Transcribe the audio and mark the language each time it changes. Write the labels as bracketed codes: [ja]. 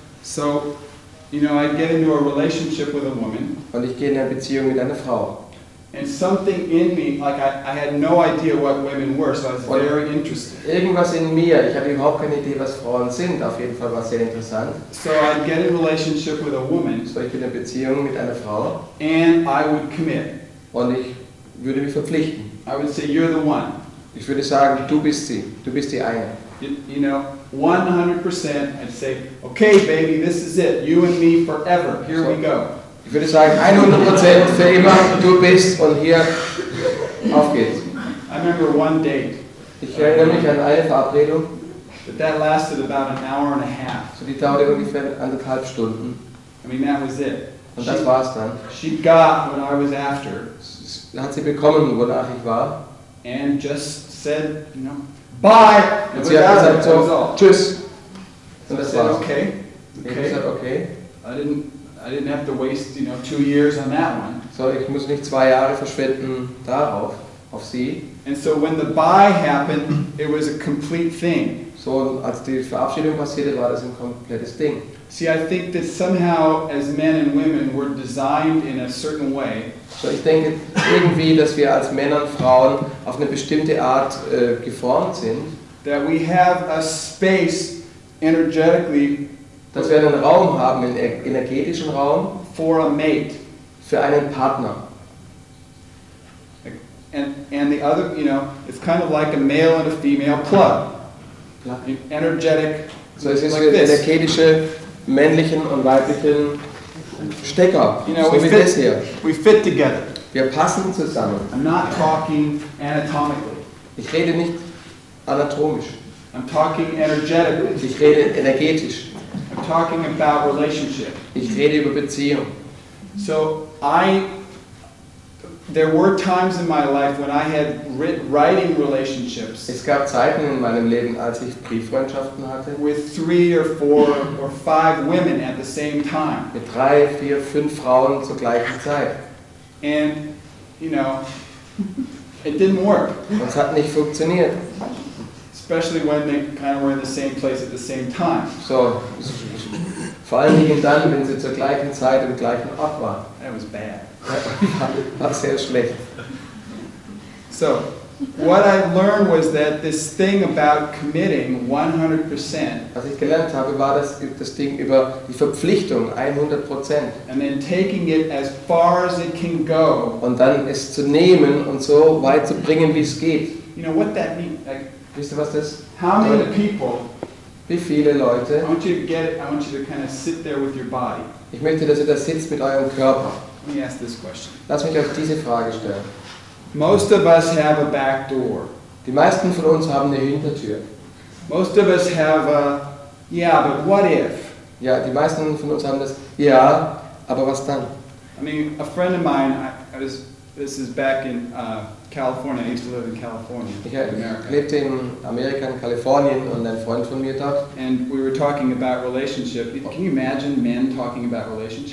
[en] So, you know, I get into a relationship with a woman. [de] Und ich gehe in eine Beziehung mit einer Frau. [en] And something in me, like I had no idea what women were, so I was very interested. [de] Irgendwas in mir, ich hatte überhaupt keine Idee, was Frauen sind. Auf jeden Fall war es sehr interessant. [en] So I get in a relationship with a woman. [de] So ich bin in einer Beziehung mit einer Frau. [en] And I would commit. [de] Und ich würde mich verpflichten. [en] I would say you're the one. [de] Ich würde sagen, du bist sie. Du bist die eine. [en] You know, 100%. I'd say, okay, baby, this is it. You and me forever. Here so, we go. [de] Ich würde sagen, 100% für immer. Du bist und hier. Auf geht's. [en] I remember one date. [de] Ich erinnere mich an eine Verabredung. [en] But that lasted about an hour and a half. [de] So die dauerte ungefähr anderthalb Stunden. [en] I mean, that was it. [de] Und das war's dann. [en] She got what I was after. [de] Hat sie bekommen, wonach ich war. [en] And just said, you know, bye. [de] Und sie hat gesagt, so, tschüss. Und das war's. Okay. Ich habe gesagt, okay. [en] I didn't have to waste, you know, 2 years on that one. [de] So ich muss nicht 2 Jahre verschwenden darauf, auf sie. [en] And so when the bye happened, it was a complete thing. [de] So als die Verabschiedung passierte, war das ein komplettes Ding. [en] See, I think that somehow, as men and women, we're designed in a certain way. [de] So, ich denke irgendwie, dass wir als Männer und Frauen auf eine bestimmte Art geformt sind. [en] That we have a space, energetically. [de] Dass wir einen Raum haben, einen energetischen Raum. [en] For a mate. [de] Für einen Partner. [en] And the other, you know, it's kind of like a male and a female plug. Energetic. [de] So, es ist like eine energetische männlichen und weiblichen Stecker. [en] You know, we fit together. [de] Wir passen zusammen. [en] I'm not talking anatomically. [de] Ich rede nicht anatomisch. [en] I'm talking energetically. [de] Ich rede energetisch. [en] I'm talking about relationship. [de] Ich rede über Beziehung. [en] So there were times in my life when I had writing relationships. [de] Es gab Zeiten in meinem Leben, als ich Brieffreundschaften hatte. [en] With three or four or five women at the same time. [de] Mit drei, vier, fünf Frauen zur gleichen Zeit. [en] And you know, it didn't work. [de] Das hat nicht funktioniert. [en] Especially when they kind of were in the same place at the same time. [de] So, vor allen Dingen dann, wenn sie zur gleichen Zeit im gleichen Ort waren. [en] That was bad. [de] War sehr schlecht. [en] So, what I learned was that this thing about committing 100%. [de] Was ich gelernt habe, war das Ding über die Verpflichtung 100%. [en] And then taking it as far as it can go. [de] Und dann es zu nehmen und so weit zu bringen, wie es geht. [en] You know what that means? [de] Wisst ihr, was das? [en] How many people? [de] Wie viele Leute? [en] I want you to get it. I want you to kind of sit there with your body. [de] Ich möchte, dass ihr da sitzt mit eurem Körper. [en] Let me ask this question. [de] Lass mich euch diese Frage stellen. [en] Most of us have a back door. [de] Die meisten von uns haben eine Hintertür. [en] Most of us have a, yeah, but what if? [de] Ja, die meisten von uns haben das, ja, aber was dann? [en] I mean, a friend of mine, this is back in California, I used to live in California. [de] Ich lebte in Amerika, in Kalifornien, und ein Freund von mir dort. [en] And we were talking about relationship. Can you imagine men talking about relationships?